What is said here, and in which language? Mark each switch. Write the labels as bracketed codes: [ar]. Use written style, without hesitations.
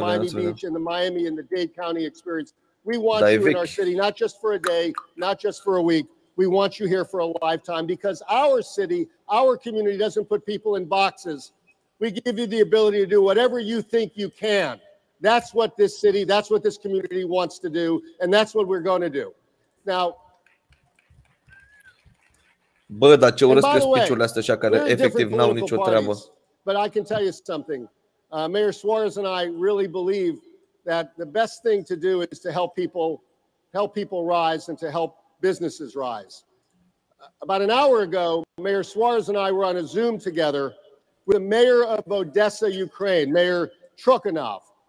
[en] Miami Beach and the Miami and the Dade County experience. We want you in our city, not just for a day, not just for a week. We want you here for a lifetime because our city, our community doesn't put people in boxes. We give you the ability to do whatever you think you can. That's what this city, that's what this community wants to do, and that's what we're going to do. Now, [ro] bă, dar ce urăsc speech-urile astea așa care efectiv n-au nicio treabă. [en] But I can tell you something. Mayor Suarez and I really believe that the best thing to do is to help people rise and to help businesses rise. About an hour ago, Mayor Suarez and I were on a Zoom together with the mayor of Odessa, Ukraine, Mayor Trukhanov.